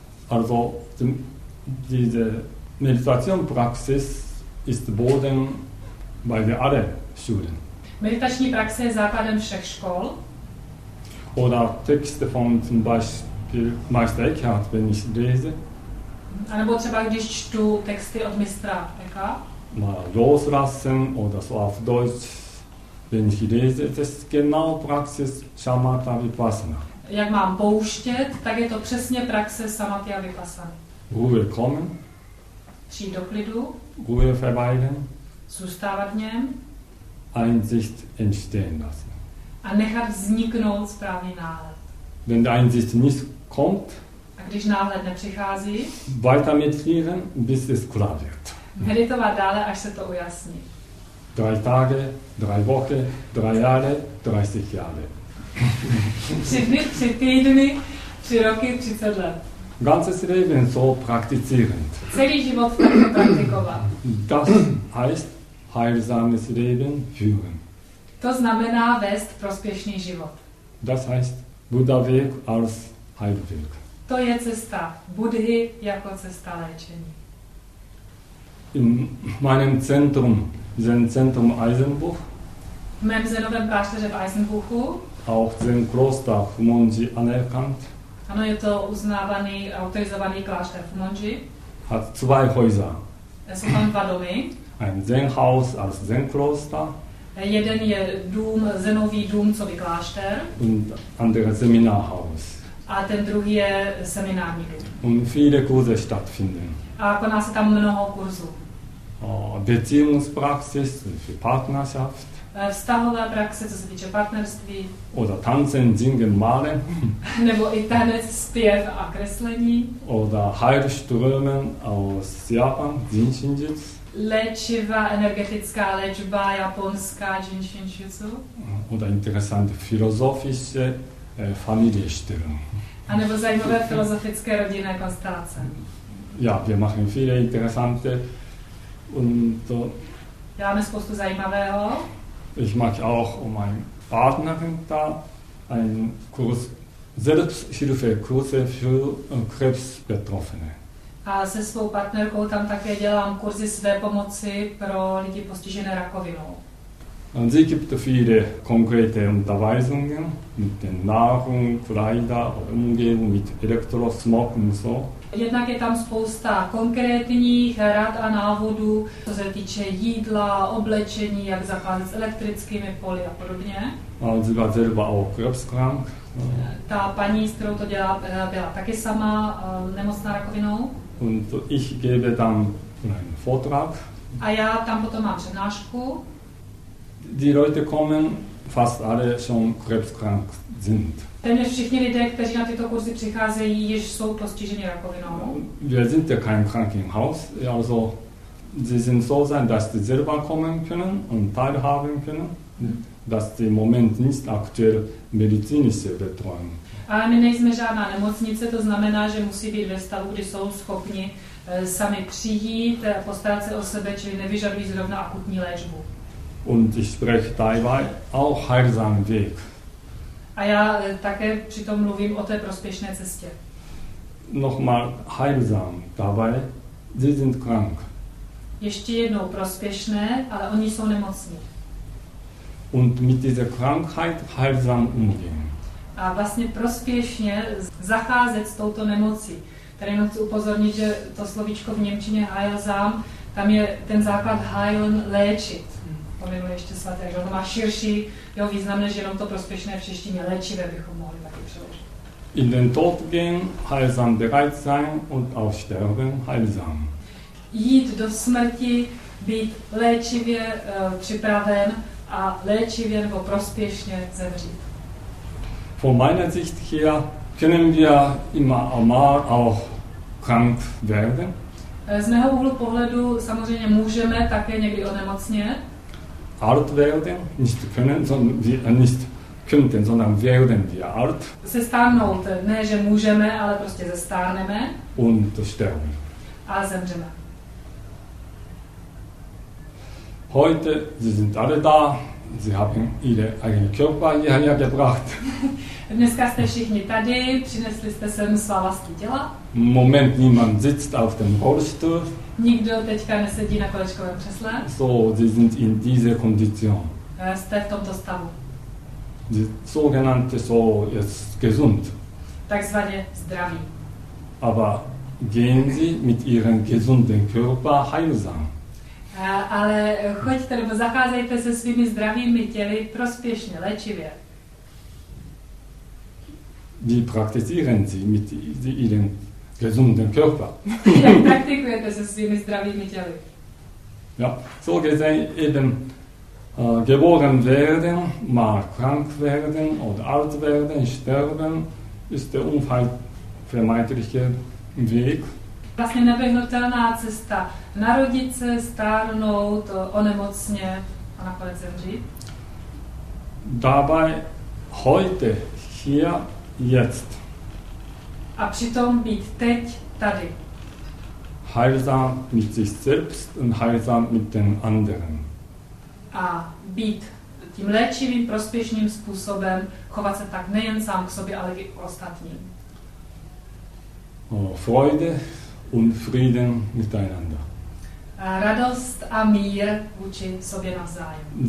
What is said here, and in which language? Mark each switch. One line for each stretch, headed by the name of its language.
German: Also diese Meditationpraxis ist Boden bei der alle Schulen.
Czech: Meditační praxe je základem všech škol.
German: Oder Texte von zum Beispiel Meister Eckhart, wenn ich lese.
Czech: A nebo třeba když čtu texty od mistra Eckhart.
German: Loslassen oder so auf Deutsch, wenn ich lese, das ist genau Praxis Samatha Vipassana.
Czech: Jak mám pouštět, tak je to přesně praxe Samatha a Vipassana.
German: Ruhe kommen.
Czech: Přijít do klidu.
German: Ruhe verweilen.
Czech: Zůstávat v něm.
German: Einsicht entstehen lassen.
Czech: A nechat vzniknout správný náhled.
German: Wenn der Einsicht nicht kommt.
Czech: A když náhled nepřichází.
German: Weiter meditieren, bis es klar wird.
Czech: Meditovat dále, až se to ujasní.
German: Drei Tage, drei Woche, drei Jahre, 30 Jahre.
Czech: 3 dny, 3 týdny, 3 roky, 30 let.
German: Ganzes Leben so praktizierend.
Czech: Celý život takto praktikovat.
German: Das heißt heilsames Leben führen.
Czech: To znamená vést prospěšný život.
German: Das heißt Buddha Weg als Heilweg.
Czech: To je cesta Buddhy jako cesta léčení.
German: In meinem Zentrum, Zen Zentrum Eisenbuch.
Czech: V mém zenovém klášteře v Eisenbuchu.
German: Auch Zen Kloster Fumonji anerkannt.
Czech: Ano, je to uznávaný, autorizovaný klášter v Fumonji.
German: Hat zwei Häuser.
Czech: Jsou tam dva domy.
German: Ein Zenhaus als Zenkloster.
Czech: Jeden je dům, zenový dům, co by klášter.
German: Und andere Seminarhaus.
Czech: A ten druhý je seminární dům.
German: Und viele Kurse stattfinden.
Czech: A koná se tam mnoho kurzů.
German: Beziehungspraxis für Partnerschaft.
Czech: vztahové praxe, co se týče partnerství.
German: Oder tanzen, singen, malen.
Czech: Nebo i tanec, zpěv a kreslení.
German: Oder heilströmen aus Japan, Jinshinjutsu.
Czech: Léčivá energetická léčba japonská, Jinshinjutsu.
German: Oder interessante filozofische Familienstellung.
Czech: A nebo zajímavé filozofické rodinné konstelace.
German: Ja, wir machen viele interessante und
Czech: ja, mám spoustu zajímavého.
German: Ich mache auch um meinen Partnerin da einen Kurs Selbsthilfekurse für Krebsbetroffene.
Czech: A se svou partnerkou tam také dělám kurzy své pomoci pro lidi postižené rakovinou.
German: Und sie gibt viele konkrete Unterweisungen mit den Nahrung, Kleider, Umgebung mit Elektrosmog und so.
Czech: Jednak je tam spousta konkrétních rad a návodů, co se týče jídla, oblečení, jak zacházet s elektrickými poli a podobně.
German: A sie war selber auch krebskrank.
Czech: Ta paní, s kterou to dělá, byla taky sama nemocná rakovinou.
German: Und ich gebe dann einen Vortrag.
Czech: A já tam potom mám přednášku.
German: Die Leute kommen, fast alle schon krebskrank sind.
Czech: Téměř všichni lidé, kteří na tyto kurzy přicházejí, již jsou postiženi rakovinou.
German: Wir sind ja kein Krankenhaus, also sie sind so sein, dass sie selber kommen können und teilhaben können, dass sie im Moment nicht aktuell medizinische Betreuung.
Czech: A my nejsme žádná nemocnice, to znamená, že musí být ve stavu, kdy jsou schopni sami přijít, postarat se o sebe, čili nevyžadují zrovna akutní léčbu.
German: Und ich spreche dabei auch heilsamen Weg.
Czech: A já také přitom mluvím o té prospěšné cestě.
German: Nochmal heilsam dabei, sie sind krank.
Czech: Ještě jednou prospěšné, ale oni jsou nemocní.
German: Und mit dieser Krankheit heilsam umgehen.
Czech: A vlastně prospěšně zacházet s touto nemocí. Tady jenom chci upozornit, že to slovíčko v němčině heilsam, tam je ten základ heilen, léčit. Pomenuji ještě svaté, že to má širší jeho význam, než jenom to prospěšné v češtině léčivé bychom mohli taky přeložit.
German: In den Tod gehen, heilsam bereit sein und auch sterben, heilsam.
Czech: Jít do smrti, být léčivě připraven a léčivě nebo prospěšně zemřít.
German: Von meiner Sicht her können wir immer einmal auch krank werden.
Czech: Z mého úhlu pohledu samozřejmě můžeme také někdy onemocnět.
German: Alt werden, nicht können, sondern wir nicht könnten, sondern werden wir alt.
Czech: Se stárnout, ne, že můžeme, ale prostě zestárneme.
German: Und sterben.
Czech: A zemřeme.
German: Heute, sie sind alle da, sie haben ihre eigene Körper hierher gebracht.
Czech: Dneska jste všichni tady, přinesli jste sem svá vlastní těla.
German: Moment, niemand sitzt auf dem Rollstuhl.
Czech: Nikdo teďka nesedí na kolečkovém křesle.
German: So, sie sind in dieser Kondition.
Czech: Jste v tomto stavu.
German: Die sogenannte so jetzt gesund.
Czech: Takzvaně zdraví.
German: Aber gehen Sie mit Ihrem gesunden Körper heilsam.
Czech: Ale choďte nebo zacházejte se svými zdravými těly prospěšně, léčivě.
German: Wie praktizieren Sie mit Ihrem gesunden Körper?
Czech: Jak praktikujete se svými zdravými těly?
German: Ja, so gesehen eben geboren werden, mal krank werden oder alt werden, sterben, ist der unvermeidliche Weg.
Czech: Vlastně nevyhnutelná cesta. Narodit se, stárnout, onemocně a nakonec zemřít.
German: Dabei heute hier jetzt.
Czech: A přitom být teď tady.
German: Heilsam mit sich selbst und heilsam mit den anderen.
Czech: A být tím léčivým, prospěšným způsobem, chovat se tak nejen sám k sobě, ale i k ostatním.
German: Freude und Frieden miteinander.
Czech: A radost a mír vůči sobě navzájem.